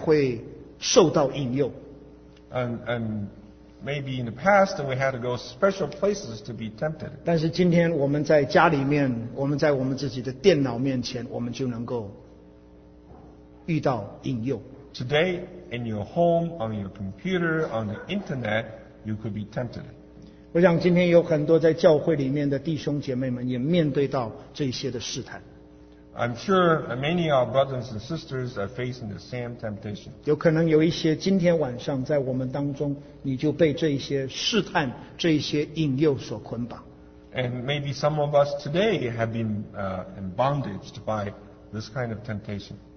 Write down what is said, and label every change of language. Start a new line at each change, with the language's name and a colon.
Chinese: 我们以前大概要去别的地方才会受到引诱。
English: And maybe in the past we had to go special places to be tempted.
Chinese: 但是今天我们在家里面，我们在我们自己的电脑面前，我们就能够遇到引诱。
English: Today, in your home, on your computer, on the internet, you could be tempted.
Chinese: 我想今天有很多在教会里面的弟兄姐妹们也面对到这些的试探。
English: I'm sure many of our brothers and sisters are facing the same temptation.
Chinese: 有可能有一些今天晚上在我们当中，你就被这些试探、这些引诱所捆绑。
English: And maybe some of us today have been in bondage by this kind of temptation.